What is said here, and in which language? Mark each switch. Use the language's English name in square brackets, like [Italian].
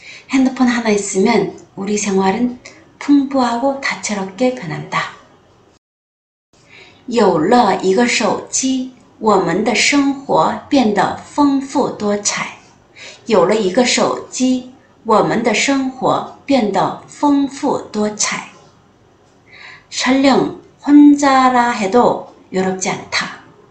[Korean] 핸드폰 하나 있으면 우리 생활은 풍부하고 다채롭게 변한다. [Chinese] 有了一个手机。我们的生活变得丰富多彩。有了一个手机，我们的生活变得丰富多彩。 [Korean] 설령 혼자라 해도 외롭지 않다.